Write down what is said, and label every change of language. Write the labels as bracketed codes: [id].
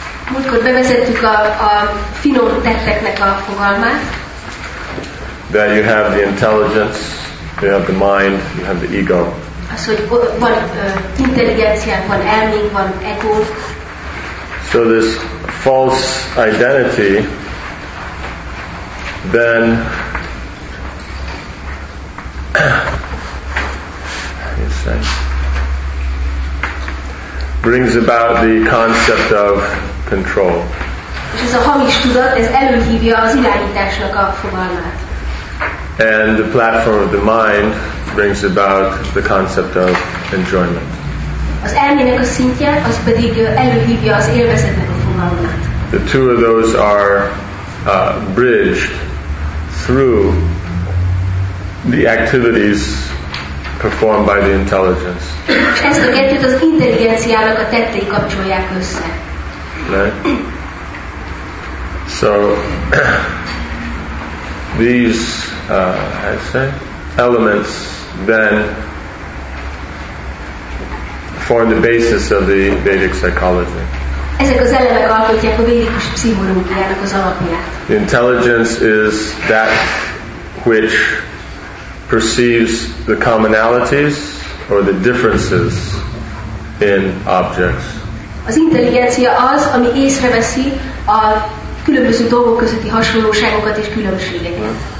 [hu] Múltkor bevezettük a finom tetteknek a fogalmát. [en] That you have the intelligence, you have the mind, you have the ego. [hu] Az, hogy van intelligenciánk, van elménk, van ego. [en] So this false identity then brings about the concept of control. [hu] És ez a hamis tudat, ez előhívja az irányításnak a fogalmát. [en] And the platform of the mind brings about the concept of enjoyment. [hu] Az elmének a szintje, az pedig előhívja az élvezetnek a fogalmát. [en] The two of those are bridged through the activities performed by the intelligence. [hu] Ezt a kettőt az intelligenciának a tettei kapcsolják össze. [en] Right. So these elements then form the basis of the Vedic psychology. [hu] Ezek az elemek alkotják a védikus pszichológiának az alapját. [en] The intelligence is that which perceives the commonalities or the differences in objects. [hu] Az intelligencia az, ami észreveszi a különböző dolgok közötti hasonlóságokat és különbségeket.